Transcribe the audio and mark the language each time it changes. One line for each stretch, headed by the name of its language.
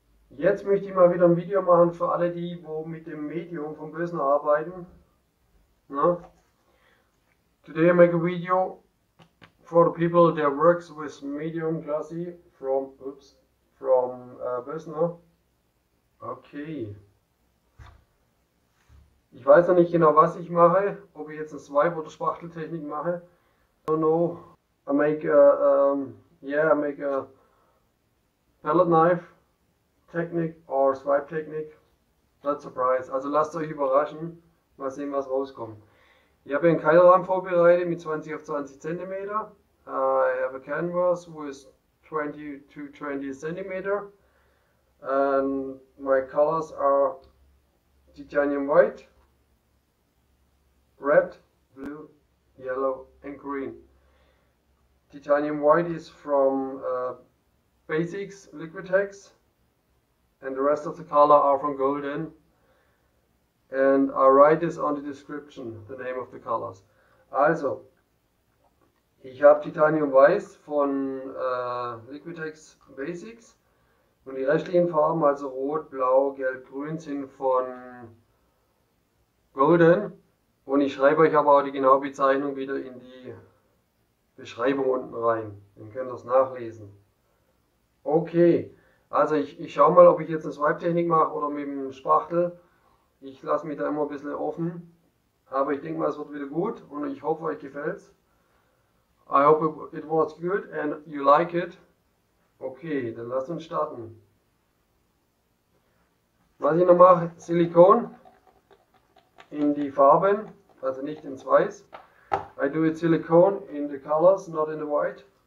German: Jetzt möchte ich mal wieder ein Video machen für alle die, wo mit dem Medium vom Bösen arbeiten. Na?
English: Today I make a video for the people that works with medium classy from Bösen. Okay.
German: Ich weiß noch nicht genau, was ich mache, ob ich jetzt eine Swipe- oder Spachteltechnik mache.
English: No, no. Yeah, I make a palette knife technique or swipe technique. Not surprised.
German: Also lasst euch überraschen. Mal sehen, was rauskommt. Ich habe einen Keilrahmen vorbereitet mit 20 auf 20 cm.
English: I have a canvas with 20 to 20 cm. And my colors are titanium white, red, blue, yellow and green. Titanium White is from Basics Liquid Hex and the rest of the color are from Golden. And I write this on the description, the name of the colors.
German: Also, ich habe Titanium Weiß von Liquid Hex Basics und die restlichen Farben, also Rot, Blau, Gelb, Grün, sind von Golden. Und ich schreibe euch aber auch die genaue Bezeichnung wieder in die Beschreibung unten rein. Dann könnt ihr es nachlesen. Okay, also ich schaue mal, ob ich jetzt eine Swipe-Technik mache oder mit dem Spachtel. Ich lasse mich da immer ein bisschen offen. Aber ich denke mal, es wird wieder gut und ich hoffe, euch gefällt es.
English: I hope it was good and you like it.
German: Okay, dann lasst uns starten. Was ich noch mache, Silikon in die Farben, also nicht ins Weiß.
English: I do it silicone in the colors, not in the white.